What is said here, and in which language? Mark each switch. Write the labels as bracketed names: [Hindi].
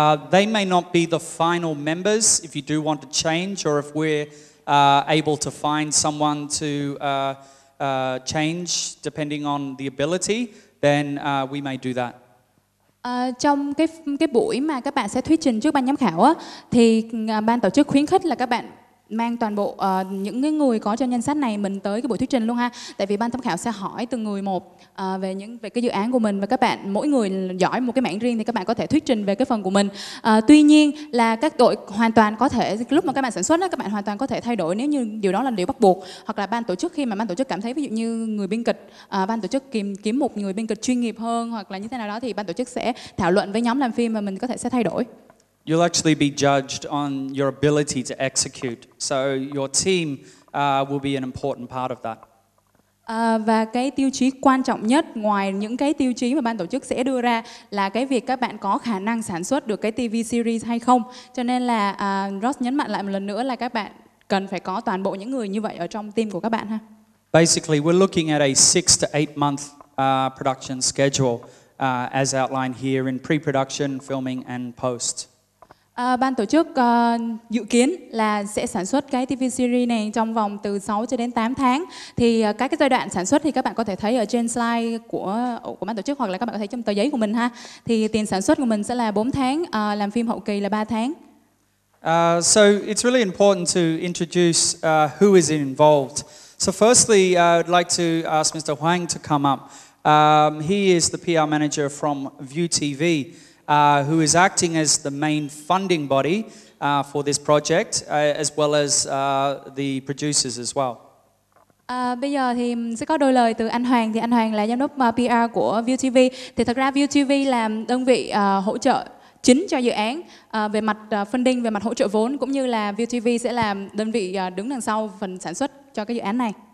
[English] They may not be the final members if you do want to change, or if we're able to find someone to change depending on the ability, then we may do that. [Vietnamese] Trong cái buổi mà các bạn sẽ thuyết trình trước ban giám khảo á, thì ban tổ chức khuyến khích là các bạn mang toàn bộ những cái người có trong danh sách này mình tới cái buổi thuyết trình luôn ha. Tại vì ban giám khảo sẽ hỏi từng người một về cái dự án của mình, và các bạn mỗi người giỏi một cái mảng riêng thì các bạn có thể thuyết trình về cái phần của mình. Tuy nhiên là các đội hoàn toàn có thể, lúc mà các bạn sản xuất á, các bạn hoàn toàn có thể thay đổi nếu như điều đó là điều bắt buộc, hoặc là ban tổ chức khi mà ban tổ chức cảm thấy ví dụ như người biên kịch, ban tổ chức kiếm một người biên kịch chuyên nghiệp hơn hoặc là như thế nào đó, thì ban tổ chức sẽ thảo luận với nhóm làm phim và mình có thể sẽ thay đổi. [English] You'll actually be judged on your ability to execute. So your team will be an important part of that. [Vietnamese] Và cái tiêu chí quan trọng nhất ngoài những cái tiêu chí mà ban tổ chức sẽ đưa ra là cái việc các bạn có khả năng sản xuất được cái TV series hay không. Cho nên là Ross nhấn mạnh lại một lần nữa là các bạn cần phải có toàn bộ những người như vậy ở trong team của các bạn ha. [English] Basically, we're looking at a 6 to 8 month production schedule as outlined here in pre-production, filming and post. [Vietnamese] Ban tổ chức dự kiến là sẽ sản xuất cái TV series này trong vòng từ 6 cho đến 8 tháng. Thì các cái giai đoạn sản xuất thì các bạn có thể thấy ở trên slide của ban tổ chức, hoặc là các bạn có thể trong tờ giấy của mình ha. Thì tiền sản xuất của mình sẽ là 4 tháng, làm phim hậu kỳ là 3 tháng. [English] So it's really important to introduce who is involved. So firstly, I'd like to ask Mr. Huang to come up. He is the PR manager from ViuTV. Who is acting as the main funding body for this project, as well as the producers as well. [Vietnamese] Bây giờ thì sẽ có đôi lời từ anh Hoàng. Thì anh Hoàng là giám đốc PR của ViuTV. Thì thật ra ViuTV là đơn vị hỗ trợ chính cho dự án về mặt funding, về mặt hỗ trợ vốn, cũng như là ViuTV sẽ là đơn vị đứng đằng sau phần sản xuất cho cái dự án này.